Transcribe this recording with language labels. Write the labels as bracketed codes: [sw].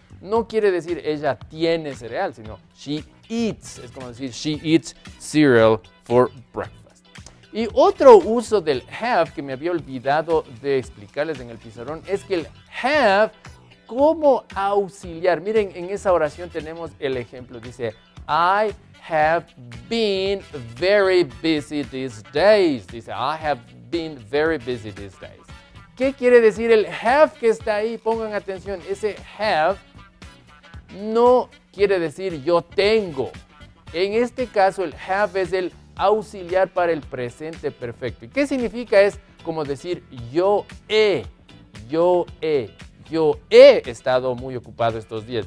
[es] No quiere decir ella tiene cereal, sino [en] she eats. [es] Es como decir, [en] she eats cereal for breakfast. [es] Y otro uso del have que me había olvidado de explicarles en el pizarrón es que el have como auxiliar. Miren, en esa oración tenemos el ejemplo. [en] Dice, I have been very busy these days. Dice, I have been very busy these days. [es] ¿Qué quiere decir el have que está ahí? Pongan atención, ese have no quiere decir yo tengo. En este caso, el have es el auxiliar para el presente perfecto. ¿Y qué significa? Es como decir yo he estado muy ocupado estos días.